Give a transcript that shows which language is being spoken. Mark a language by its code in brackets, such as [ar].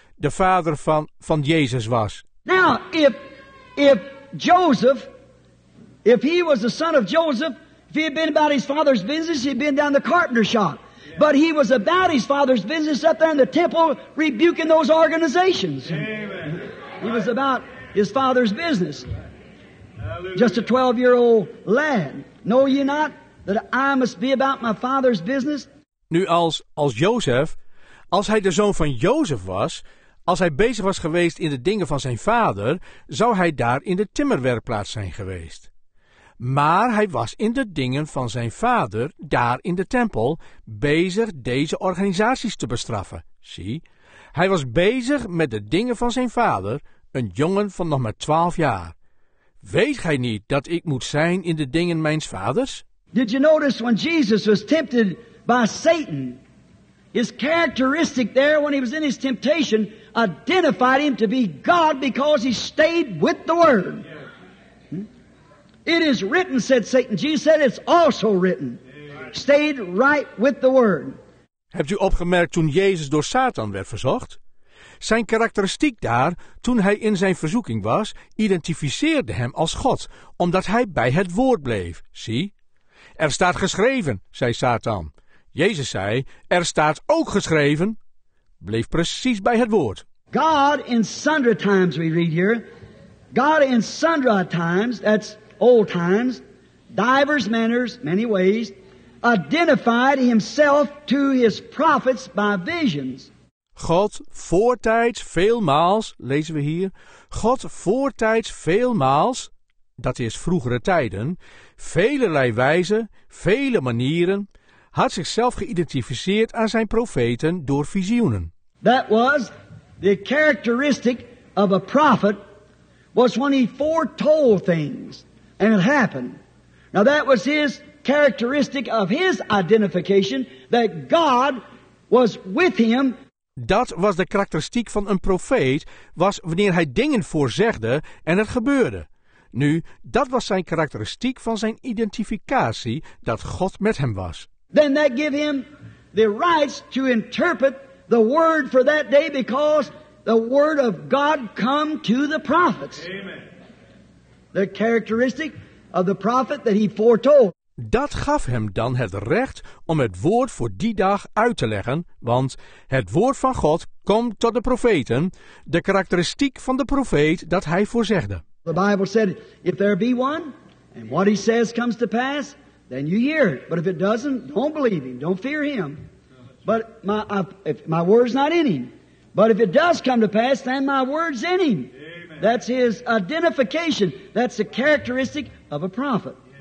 [nl] De vader van Jezus was. [en] Now, if Joseph, if he was the son of Joseph, if he had been about his father's business, he'd been down the carpenter shop. But he was about his father's business up there in the temple rebuking those organizations. Amen. He was about his father's business. Just a 12-year-old lad. Know ye not that I must be about my father's business? [nl] Nu als Jozef, als hij de zoon van Jozef was, als hij bezig was geweest in de dingen van zijn vader, zou hij daar in de timmerwerkplaats zijn geweest. Maar hij was in de dingen van zijn vader, daar in de tempel, bezig deze organisaties te bestraffen. Zie, hij was bezig met de dingen van zijn vader, een jongen van nog maar 12 jaar. Weet gij niet dat ik moet zijn in de dingen mijns vaders? [en] Did you notice when Jesus was tempted by Satan, his characteristic there when he was in his temptation identified him to be God because he stayed with the word. It is written, said Satan. Jesus said, it's also written. Stayed right with the word. [nl] Hebt u opgemerkt toen Jezus door Satan werd verzocht? Zijn karakteristiek daar, toen hij in zijn verzoeking was, identificeerde hem als God, omdat hij bij het woord bleef. Zie, er staat geschreven, zei Satan. Jezus zei, er staat ook geschreven. Bleef precies bij het woord. [en] God in sundry times, we read here. God in sundry times, that's old times, divers manners, many ways, identified himself to his prophets by visions. [nl] God voortijds veelmaals, lezen we hier, God voortijds veelmaals, dat is vroegere tijden, velerlei wijzen, vele manieren, had zichzelf geïdentificeerd aan zijn profeten door visioenen. [en] That was the characteristic of a prophet, was when he foretold things. And it happened. Now that was his characteristic of his identification, that God was with him. [nl] Dat was de karakteristiek van een profeet, was wanneer hij dingen voorzegde en het gebeurde. Nu, dat was zijn karakteristiek van zijn identificatie, dat God met hem was. [en] Then that gave him the rights to interpret the word for that day, because the word of God come to the prophets. Amen. the characteristic of the prophet that he foretold. [nl] Dat gaf hem dan het recht om het woord voor die dag uit te leggen, want het woord van God komt tot de profeten, de karakteristiek van de profeet dat hij voorzegde. [en] The Bible said, if there be one, and what he says comes to pass, then you hear it. But if it doesn't, don't believe him, don't fear him. But my word's not in him. But if it does come to pass, then my word's in him. Amen. That's his identification. That's the characteristic of a prophet.